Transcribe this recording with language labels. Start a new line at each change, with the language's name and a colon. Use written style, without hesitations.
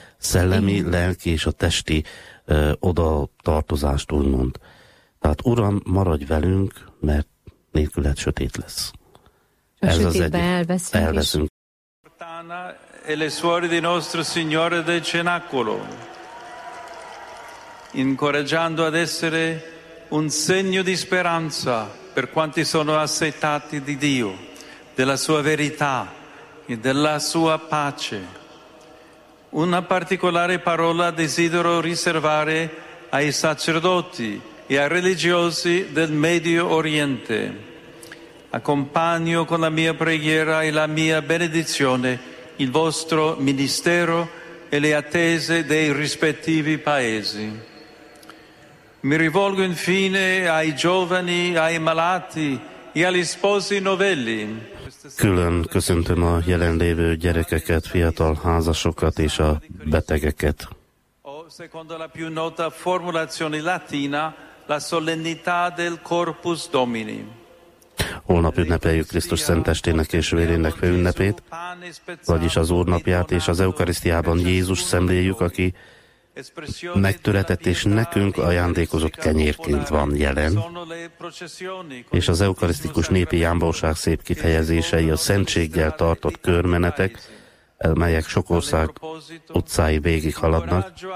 Hungarian: Szellemi, lelki és a testi oda tartozást úgymond. Tehát Uram, maradj velünk, mert nélküled sötét lesz. Portana
Italian: e le suore di nostro Signore del Cenacolo, incoraggiando ad essere un segno di speranza per quanti sono assetati di Dio, della sua verità e della sua pace. Una particolare parola desidero riservare ai sacerdoti e ai religiosi del Medio Oriente. Accompagno con la mia preghiera e la mia benedizione il vostro ministero e le attese dei rispettivi paesi. Mi rivolgo infine ai giovani, ai malati e agli sposi novelli.
Hungarian: Külön köszöntöm a jelenlévő gyerekeket, fiatal házasokat és a betegeket.
Italian: Secondo la più nota formulazione latina, la solennità del Corpus Domini.
Hungarian: Holnap ünnepeljük Krisztus szentestének és vérének főünnepét, vagyis az Úrnapját, és az Eukarisztiában Jézus szemléljük, aki megtöretett és nekünk ajándékozott kenyérként van jelen, és az eukarisztikus népi jámbóság szép kifejezései a szentséggel tartott körmenetek, melyek sok ország utcái végig haladnak,